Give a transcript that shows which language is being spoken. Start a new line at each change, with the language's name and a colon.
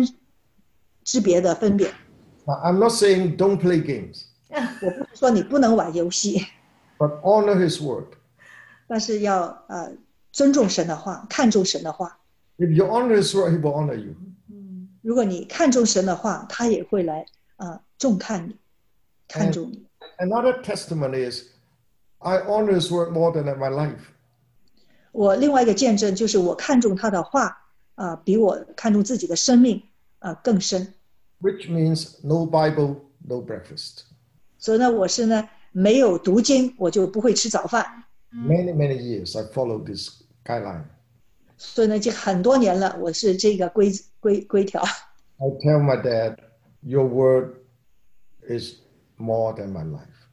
Chinese: 就说如果你用你玩电子游戏的时间来背诵神的话，5年之后，那些有听我的话而行的，还有那些没有的，一定会有天渊之别的分别。
English: I'm not saying don't play games.
Chinese: 我不是说你不能玩游戏,
English: but honor His word.
Chinese: 但是要, 尊重神的话, 看重神的话。
English: If you honor His word, He will honor you.
Chinese: 如果你看重神的话, 祂也会来, 重看你, 看重你。
English: Another testimony is, I honor His word more than in my life.
Chinese: 我另外一个见证就是我看重祂的话, 比我看重自己的生命, 更深。
English: Which means no Bible, no breakfast.
Chinese: 所以呢，我是呢没有读经，我就不会吃早饭。
English: Many years I followed this guideline.
Chinese: 所以呢，就很多年了，我是这个规条。
English: I tell my dad, your word is more than my life.